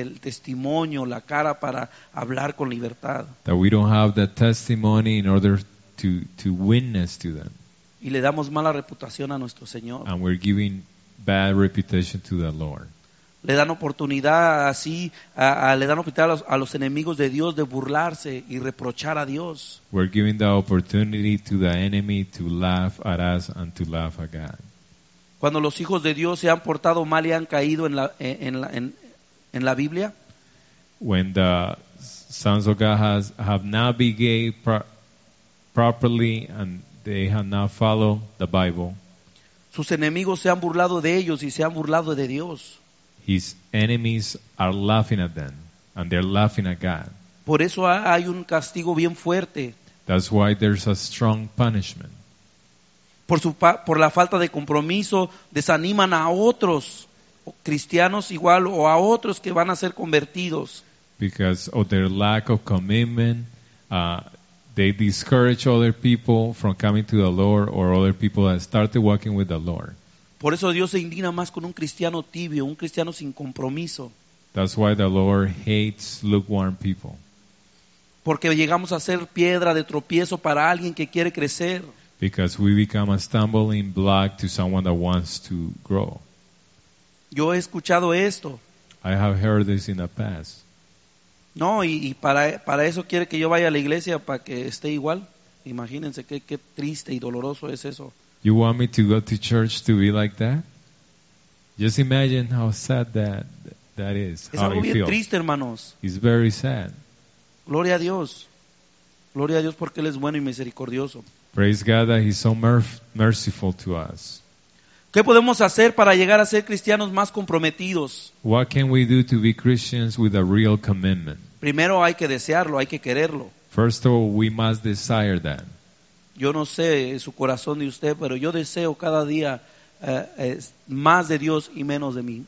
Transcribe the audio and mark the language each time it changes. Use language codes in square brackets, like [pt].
[es] El testimonio, la cara para hablar con libertad. [en] That we don't have the testimony in order to witness to them. [es] Y le damos mala reputación a nuestro Señor. [en] And we're giving bad reputation to the Lord. [es] Le dan oportunidad así, le dan oportunidad a los enemigos de Dios de burlarse y reprochar a Dios. [en] We're giving the opportunity to the enemy to laugh at us and to laugh at God. [es] Cuando los hijos de Dios se han portado mal y han caído en la Biblia. [en] When the sons of God have not behaved properly and they have not followed the Bible. [es] Sus enemigos se han burlado de ellos y se han burlado de Dios. [en] His enemies are laughing at them and they're laughing at God. [es] Por eso hay un castigo bien fuerte. [en] That's why there's a strong punishment. [es] Por la falta de compromiso, desaniman a otros cristianos igual o a otros que van a ser convertidos. [en] Because of their lack of commitment, they discourage other people from coming to the Lord or other people that started walking with the Lord. [es] Por eso Dios se indigna más con un cristiano tibio, un cristiano sin compromiso. [en] That's why the Lord hates lukewarm people. [es] Porque llegamos a ser piedra de tropiezo para alguien que quiere crecer. [en] Because we become a stumbling block to someone that wants to grow. [es] Yo he escuchado esto. [en] I have heard this in the past. [es] No, y para eso quiere que yo vaya a la iglesia para que esté igual. Imagínense qué triste y doloroso es eso. [en] You want me to go to church to be like that? Just imagine how sad that is. [es] Es algo bien triste, hermanos. [en] It's very sad. [es] Gloria a Dios. Gloria a Dios porque Él es bueno y misericordioso. [en] Praise God that He's so merciful to us. [es] ¿Qué podemos hacer para llegar a ser cristianos más comprometidos? [en] What can we do to be Christians with a real commitment? [es] Primero hay que desearlo, hay que quererlo. [en] First of all, we must desire that. [es] Yo no sé su corazón de usted, pero yo deseo cada día más de Dios y menos de mí.